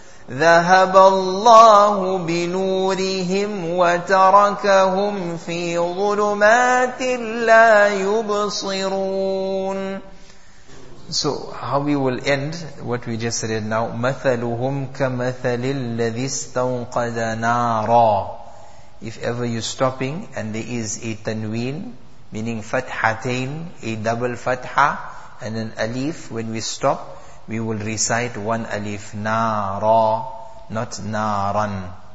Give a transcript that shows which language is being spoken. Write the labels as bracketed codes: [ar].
[ar] ذهب الله بنورهم وتركهم في ظلمات لا يبصرون. [en] So how we will end what we just read now. [ar] مثلهم كمثل الذي استوقد نارا. [en] If ever you're stopping and there is a tanween, meaning fathatain, a double fatha and an alif, when we stop, we will recite one alif, nara, not naran.